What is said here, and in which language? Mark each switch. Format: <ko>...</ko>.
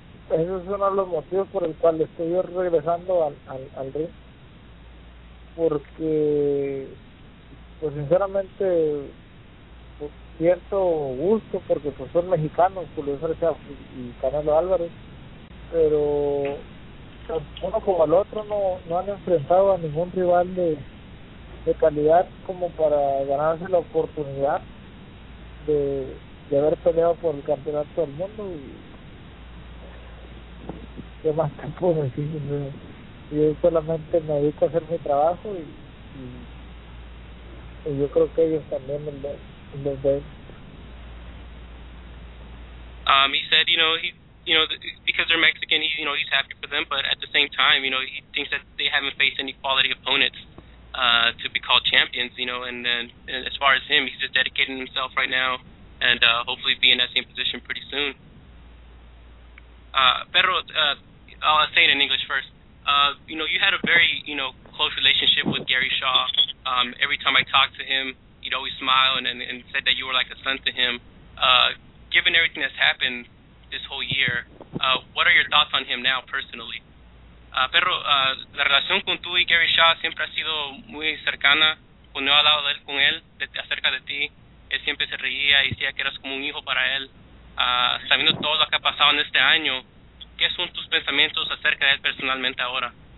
<es>Eso es uno de los motivos por el cual estoy yo regresando al ring, porque pues sinceramente pues siento gusto porque pues son mexicanos Julio César y Canelo Álvarez, pero uno como el otro no han enfrentado a ningún rival de calidad como para ganarse la oportunidad de haber peleado por el campeonato del mundo. Y ¿qué más te puedo decir? Yo solamente me dedico a hacer mi trabajo y yo creo que ellos también lo ven.</es> <en>He said, you know, because they're Mexican, he's happy for them, but at the same time, you know, he thinks that they haven't faced any quality opponents to be called champions, you know, and as far as him, he's just dedicating himself right now and hopefully be in that same position pretty soon. I'll say it in English first. You know, you had a very, you know, close relationship with Gary Shaw. Every time I talked to him, he'd always smile and said that you were like a son to him. Given everything that's happened this whole year, what are your thoughts on him now, personally?</en> <es>Pero la relación con tú y Gary Shaw siempre ha sido muy cercana. Cuando he hablado de él con él, acerca de ti, él siempre se reía y decía que eras como un hijo para él. Sabiendo todo lo que ha pasado en este año, ¿qué son tus pensamientos acerca de él personalmente ahora?</es>